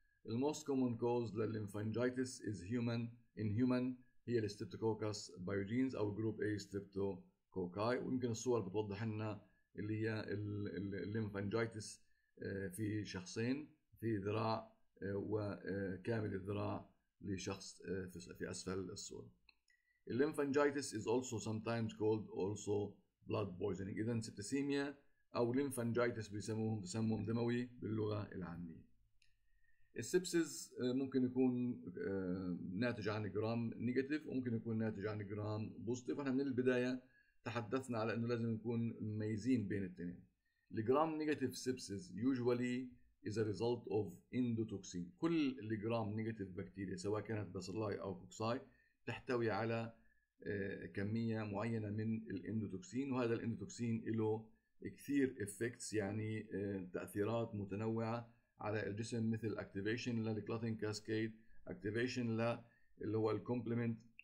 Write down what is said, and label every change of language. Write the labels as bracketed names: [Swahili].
[English] The most common cause [Arabic] للليمفانجايتس [English] is in human [Arabic] هي الستريبتوكوكس بايوجينز او جروب A ستريبتوكوكاي، ويمكن الصور بتوضح لنا اللي هي الليمفانجايتس في شخصين، في ذراع وكامل الذراع لشخص في أسفل الصورة. [English] الليمفانجايتس is also sometimes called also blood poisoning. [Arabic] إذن سبتسيميا أو الليمفانجايتس بيسموهم تسمم دموي باللغة العامية. السبسيز ممكن يكون ناتج عن جرام نيجاتيف وممكن يكون ناتج عن جرام بوزيتيف. احنا من البداية تحدثنا على أنه لازم نكون مميزين بين الاثنين. [English] الجرام negative sepsis usually is a result of endotoxin. [Arabic] كل الجرام نيجاتيف بكتيريا سواء كانت باسيلاي او كوكساي تحتوي على كميه معينه من الاندوتوكسين، وهذا الاندوتوكسين له كثير افكتس، يعني تاثيرات متنوعه على الجسم، مثل اكتيفيشن للكلاتين كاسكيد، اكتيفيشن اللي هو الكومبلمنت